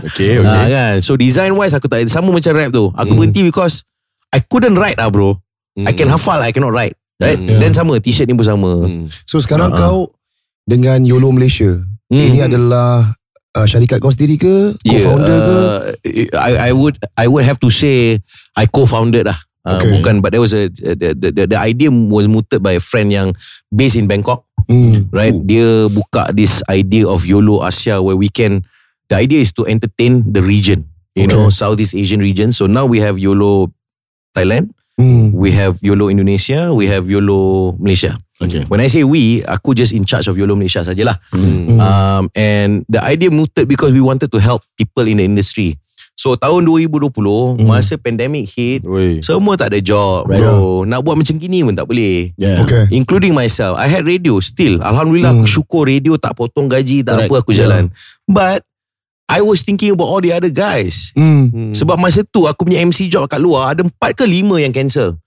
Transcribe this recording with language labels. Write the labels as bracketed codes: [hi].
[ms] Kan? [en] So design wise [ms] aku tak, sama macam rap tu aku berhenti [en] because I couldn't write [ms] lah bro. [en] I can hafal lah, I cannot write. Then [ms] sama t-shirt ni pun sama. So sekarang kau dengan YOLO Malaysia, ini adalah syarikat kau sendiri ke? Co-founder ke? [en] I would have to say I co-founded lah. Bukan, but there was the idea was mooted by a friend yang based in Bangkok. Right? [ms] Dia buka [en] this idea of YOLO Asia where we can, the idea is to entertain the region, you know, Southeast Asian region. So now we have YOLO Thailand, we have YOLO Indonesia, we have YOLO Malaysia. Okay. When I say we, aku just in charge of YOLO Malaysia sajalah. And the idea mooted because we wanted to help people in the industry. [ms] So tahun 2020, masa [en] pandemic hit, [ms] semua tak ada job. Nak buat macam gini pun tak boleh. [en] Including myself, I had radio still. [ms] Alhamdulillah, aku syukur radio tak potong gaji, tak apa aku jalan. [en] But I was thinking about all the other guys. [ms] Sebab masa tu aku punya MC job kat luar, ada 4 ke 5 yang cancel.